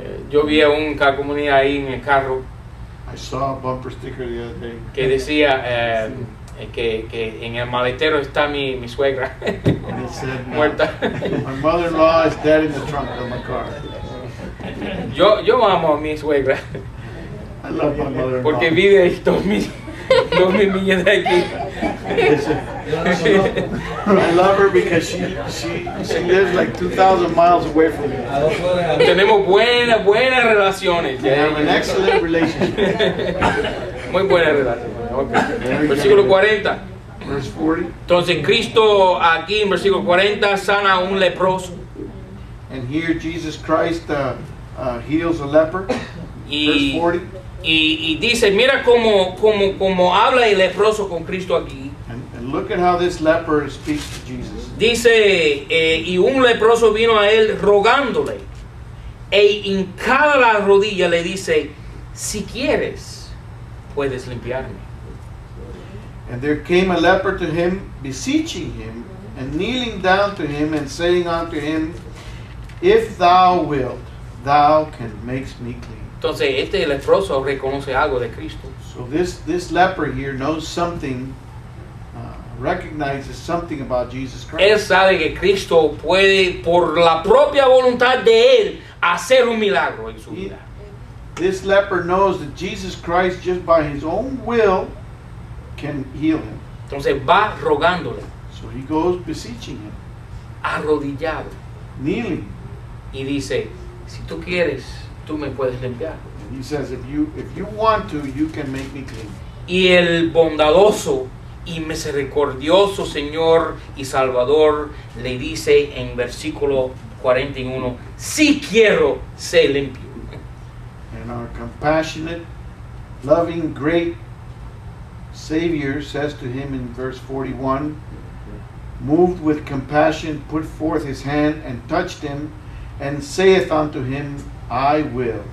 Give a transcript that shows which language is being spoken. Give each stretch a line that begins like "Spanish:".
Spanish: Yo vi un calcomanía ahí en el carro.
English: I saw a bumper sticker the other day.
Spanish: Que decía que en el maletero está mi suegra.
English: And it said,
Spanish: muerta.
English: My mother-in-law is dead in the trunk of my car.
Spanish: Yo amo a mi suegra.
English: I love my mother-in-law.
Spanish: Porque vive dos mil millas de aquí.
English: I love her because she lives like 2,000 miles away from me.
Spanish: Tenemos buenas relaciones.
English: We have an excellent relationship.
Spanish: Muy buena relación. Versículo 40.
English: Verse 40.
Spanish: Entonces Cristo aquí en versículo 40 sana a un leproso.
English: And here Jesus Christ heals a leper. Verse 40.
Spanish: Y dice, mira cómo habla el leproso con Cristo aquí.
English: And look at how this leper speaks to Jesus.
Spanish: Dice, y un leproso vino a él rogándole. E hincada la rodilla le dice, si quieres, puedes limpiarme.
English: And there came a leper to him, beseeching him, and kneeling down to him, and saying unto him, if thou wilt, thou can make me clean.
Spanish: Entonces este leproso reconoce algo de Cristo.
English: So this leper here knows something, recognizes something about Jesus Christ.
Spanish: Él sabe que Cristo puede, por la propia voluntad de él, hacer un milagro en su vida.
English: This leper knows that Jesus Christ, just by his own will, can heal him.
Spanish: Entonces va rogándole.
English: So he goes beseeching him.
Spanish: Arrodillado.
English: Kneeling.
Spanish: Y dice, si tú quieres, tú me puedes limpiar.
English: He says, if you want to, you can make me clean.
Spanish: Y el bondadoso y misericordioso Señor y Salvador le dice en versículo 41, si quiero, sé limpio.
English: And our compassionate, loving, great Savior says to him in verse 41, moved with compassion, put forth his hand and touched him, and saith unto him, I will.